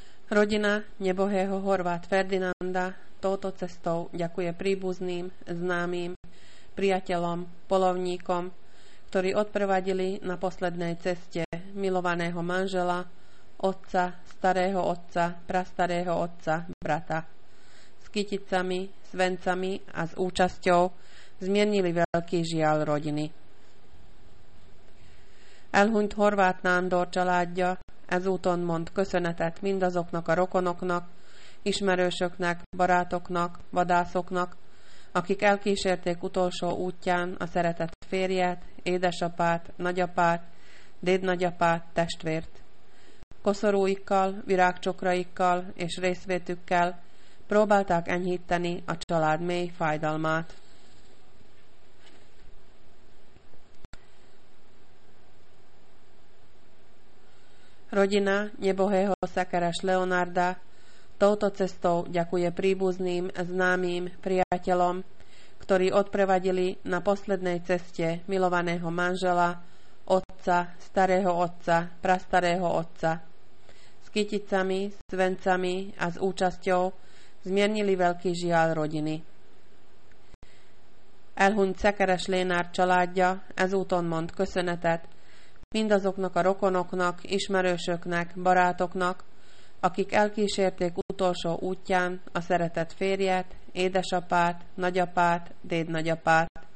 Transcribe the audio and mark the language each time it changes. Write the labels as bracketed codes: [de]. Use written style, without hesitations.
[sk] Rodina nebohého Horváta Ferdinanda touto cestou ďakuje príbuzným, známym, priateľom, polovníkom, ktorí odprevadili na poslednej ceste milovaného manžela, otca, starého otca, prastarého otca, brata. S kyticami, s vencami a s účasťou zmiernili veľký žial rodiny. [hu] Elhunyt Horvát Nándor családja ezúton mond köszönetet mindazoknak a rokonoknak, ismerősöknek, barátoknak, vadászoknak, akik elkísérték utolsó útján a szeretett férjet, édesapát, nagyapát, dédnagyapát, testvért. Koszorúikkal, virágcsokraikkal és részvétükkel próbálták enyhíteni a család mély fájdalmát. [sk] Rodina nebohého Szekeres Leonarda touto cestou ďakuje príbuzným, známym, priateľom, ktorí odprevadili na poslednej ceste milovaného manžela, otca, starého otca, prastarého otca. S kyticami, s vencami a s účasťou zmiernili veľký žial rodiny. [hu] Elhunyt Szekeres Leonard családja ezúton mond köszönetet mindazoknak a rokonoknak, ismerősöknek, barátoknak, akik elkísérték utolsó útján a szeretett férjet, édesapát, nagyapát, dédnagyapát.